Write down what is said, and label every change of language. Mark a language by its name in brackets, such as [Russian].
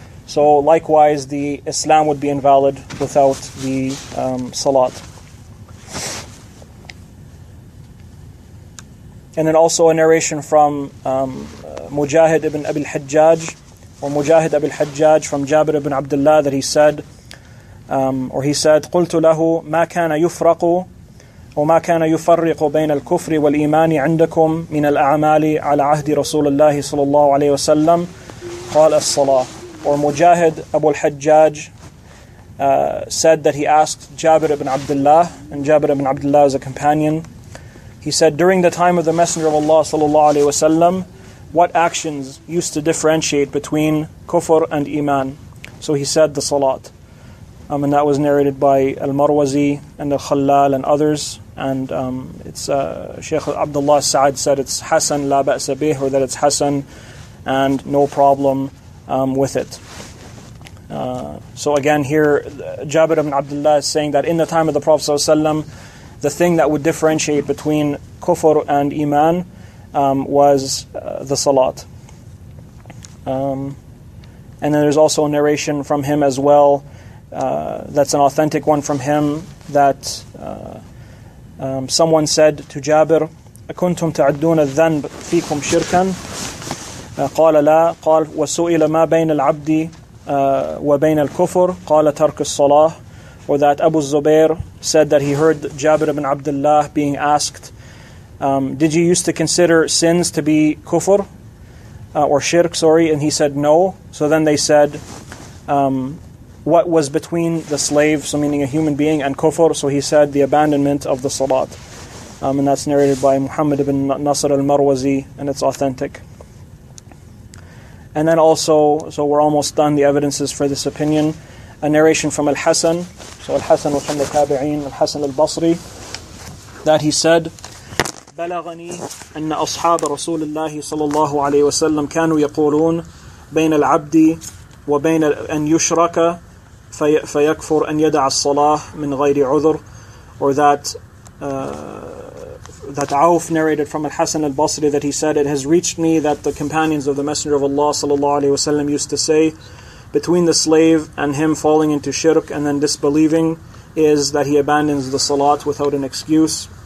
[English] So likewise, the Islam would be invalid without the salat. And then also a narration from Mujahid ibn Abil Hajjaj, or Mujahid ibn Hajjaj from Jabir ibn Abdullah, that he said, [Arabic] قلت له ما كان يفرق وما كان يفرق بين الكفر والإيمان عندكم من الأعمال على عهد رسول الله صلى الله عليه وسلم قال الصلاة. [English] Or Mujahid Abu al-Hajjaj said that he asked Jabir ibn Abdullah, and Jabir ibn Abdullah is a companion. He said, during the time of the Messenger of Allah sallallahu alayhi wa sallam, what actions used to differentiate between kufr and iman? So he said the salat. And that was narrated by al-Marwazi and al-Khalal and others. And Shaykh Abdullah Sa'ad said it's Hassan la ba'sa bih, or that it's Hassan and no problem with it. So again, here Jabir ibn Abdullah is saying that in the time of the Prophet ﷺ, the thing that would differentiate between kufr and iman was the salat. And then there's also a narration from him as well, that's an authentic one from him, that someone said to Jabir, [Arabic] أَكُنْتُمْ تَعَدُّونَ الذَّنْبَ فِيكُمْ شِرْكًا. قال لا قال وسئل ما بين العبد وبين الكفر قال ترك الصلاة. [English] Or that Abu Zubair said that he heard Jabir ibn Abdullah being asked, did you used to consider sins to be kufr? or shirk, sorry, and he said no. So then they said, what was between the slave, so meaning a human being, and kufr? So he said the abandonment of the salat. And that's narrated by Muhammad ibn Nasr al-Marwazi, and it's authentic. And then also, so we're almost done, the evidences for this opinion. A narration from al-Hasan, so al-Hasan was from the Tâbi’în, al-Hasan al-Basri, that he said, [Arabic] بلغني أن أصحاب رسول الله صلى الله عليه وسلم كانوا يقولون بين العبد وبين أن يشرك فيكفر أن يدع الصلاة من غير عذر. [English] Or that that Auf narrated from al-Hasan al-Basri that he said, it has reached me that the companions of the Messenger of Allah صلى الله عليه وسلم used to say, between the slave and him falling into shirk and then disbelieving is that he abandons the salat without an excuse.